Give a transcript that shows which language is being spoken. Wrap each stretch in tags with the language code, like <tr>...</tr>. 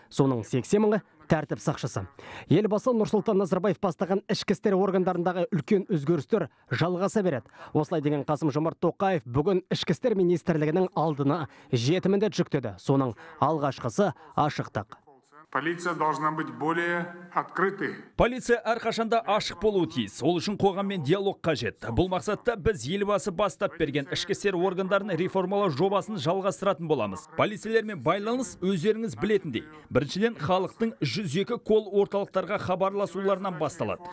<kk>Соның 80 мыңы тәртіп сақшысы. Елбасы Нұрсұлтан Назарбаев бастаған ішкі істер органдарындағы үлкен өзгерістер жалғаса береді. Осылай деген Қасым-Жомарт Тоқаев бүгін ішкі істер министрлігінің алдына 7 міндет жүктеді. Соның алғашқысы ашықтық.</kk> <ru>Полиция должна быть более открытой.</ru> <kk>Полиция әрқашанда ашық болуы тиіс. Ол үшін қоғаммен диалог қажет. Бұл мақсатта біз елбасы бастап берген ішкі істер органдарын реформалау жобасын жалғастыратын боламыз. Полицейлермен байланыс өздеріңіз білетіндей. Біріншіден халықтың 102 кол орталықтарға хабарласуларынан басталады.</kk>